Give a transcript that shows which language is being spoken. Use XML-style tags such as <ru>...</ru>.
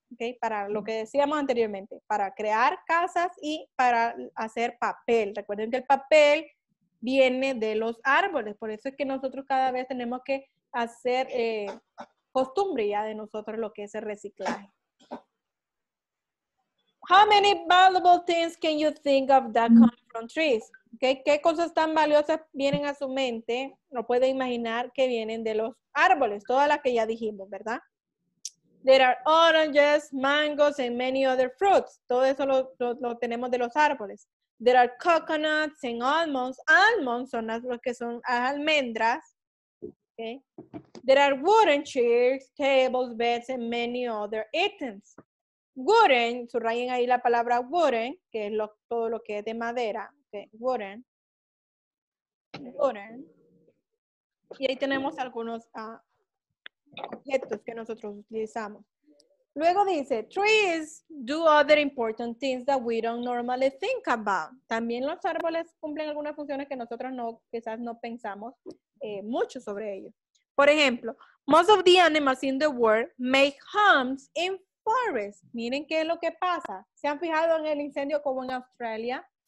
<es>Okay, para lo que decíamos anteriormente, para crear casas y para hacer papel. Recuerden que el papel viene de los árboles, por eso es que nosotros cada vez tenemos que hacer costumbre ya de nosotros lo que es el reciclaje.</es> <en>How many valuable things can you think of that come from trees?</en> <es>Okay, ¿qué cosas tan valiosas vienen a su mente? No puede imaginar que vienen de los árboles, todas las que ya dijimos, ¿verdad?</es> <en>There are oranges, mangoes, and many other fruits.</en> <es>Todo eso lo tenemos de los árboles.</es> <en>There are coconuts and almonds.</en> <es>Almonds son las que son almendras. Okay.</es> <en>There are wooden chairs, tables, beds, and many other items.</en> <es>Wooden, subrayen ahí la palabra wooden, que es lo, todo lo que es de madera. Okay. Wooden. Wooden. Y ahí tenemos algunos objetos que nosotros utilizamos. Luego dice,</es> <en>trees do other important things that we don't normally think about.</en> <es>También los árboles cumplen algunas funciones que nosotros no, quizás no pensamos mucho sobre ellos. Por ejemplo,</es> <en>most of the animals in the world make homes in forests.</en> <es>Miren qué es lo que pasa. ¿Se han fijado en el incendio como en Australia?</es>